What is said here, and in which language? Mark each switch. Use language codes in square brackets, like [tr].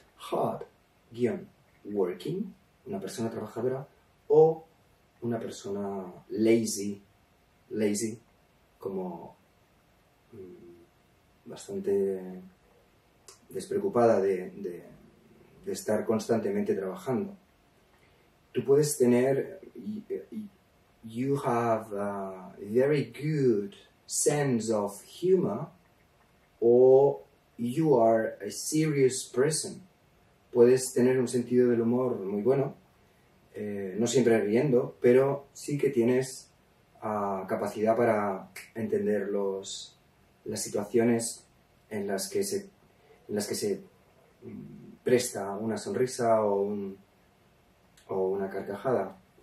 [es] Hard, guión, working, una persona trabajadora, o una persona lazy, como bastante despreocupada de estar constantemente trabajando. Tú puedes tener, [en] you have a very good sense of humor, o you are a serious person. [es] Puedes tener un sentido del humor muy bueno. No siempre riendo, pero sí que tienes capacidad para entender las situaciones en las que se presta una sonrisa o una carcajada.